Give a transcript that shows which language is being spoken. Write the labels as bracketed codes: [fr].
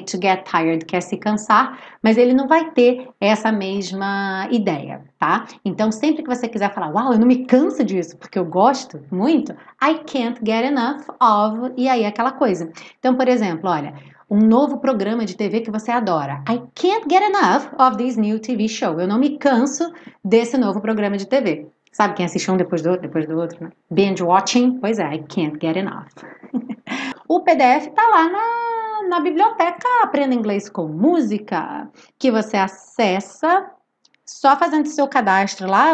[en] To get tired [pt] quer se cansar, mas ele não vai ter essa mesma ideia, tá? Então, sempre que você quiser falar, uau, eu não me canso disso, porque eu gosto muito, [en] I can't get enough of, [pt] e aí aquela coisa. Então, por exemplo, olha, um novo programa de TV que você adora. [en] I can't get enough of this new TV show. [pt] Eu não me canso desse novo programa de TV. Sabe quem assiste um depois do outro, né? Binge watching? Pois é, [en] I can't get enough. [pt] O PDF tá lá na biblioteca Aprenda Inglês com Música, que você acessa só fazendo seu cadastro lá.